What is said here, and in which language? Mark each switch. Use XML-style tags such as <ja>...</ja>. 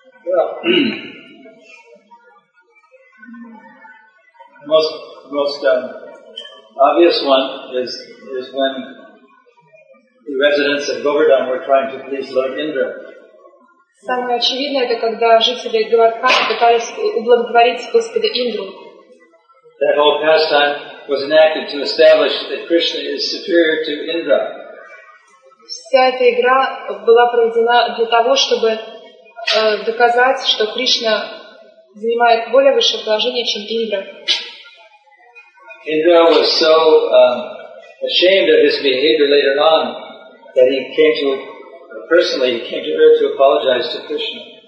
<en>Well, the most obvious one is when the residents of Govardhan were trying to please Lord Indra.</en> <ru>Самое очевидное, это когда жители Говардхана пытались ублаготворить Господа Индру.</ru> <en>That whole pastime was enacted to establish that Krishna is superior to Indra.</en> <ru>Вся эта игра была проведена для того, чтобы доказать, что Кришна занимает более высшее положение, чем Индра.</ru> <en>Indra was so ashamed of his behavior later on that he came to Earth to apologize to Krishna.</en>